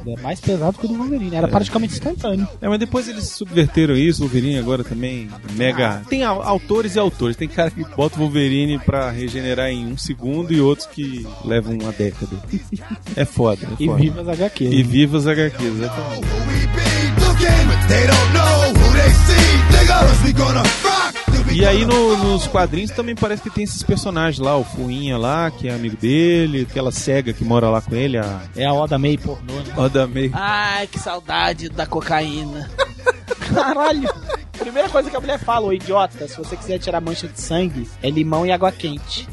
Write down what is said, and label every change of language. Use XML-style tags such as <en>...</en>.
<pt>É mais pesado que o do Wolverine. Era praticamente instantâneo. É, mas depois eles subverteram isso, o Wolverine agora também mega... Tem autores e autores. Tem cara que bota o Wolverine pra regenerar em um segundo e outros que levam uma década. É foda, é foda. E viva as HQs. E viva as HQs, exatamente.</pt> <en>They don't know who they see. They got us, we gonna rock.</en> <pt>E aí nos quadrinhos também parece que tem esses personagens lá, o Fuinha lá, que é amigo dele, aquela cega que mora lá com ele, a... É a Oda May pornô, né? Oda May. Ai, que saudade da cocaína. Caralho! Primeira coisa que a mulher fala, ô idiota, se você quiser tirar mancha de sangue, é limão e água quente.</pt>